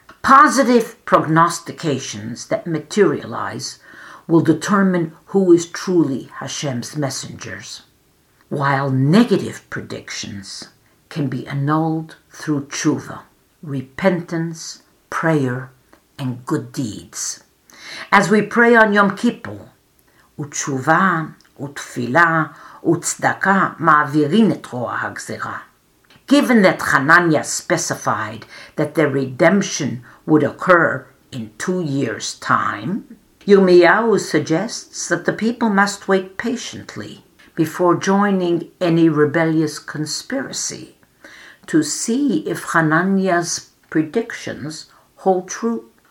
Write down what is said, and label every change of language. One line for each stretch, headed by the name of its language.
English: Positive prognostications that materialize will determine who is truly Hashem's messengers, while negative predictions can be annulled through tshuva, repentance, prayer, and good deeds. As we pray on Yom Kippur,
Hebrew: ותשובה, ותפילה, וצדקה מעבירים את רוע הגזירה.
English: Given that Hananiah specified that their redemption would occur in 2 years' time, Yirmiyahu suggests that the people must wait patiently before joining any rebellious conspiracy to see if Hananiah's predictions hold true.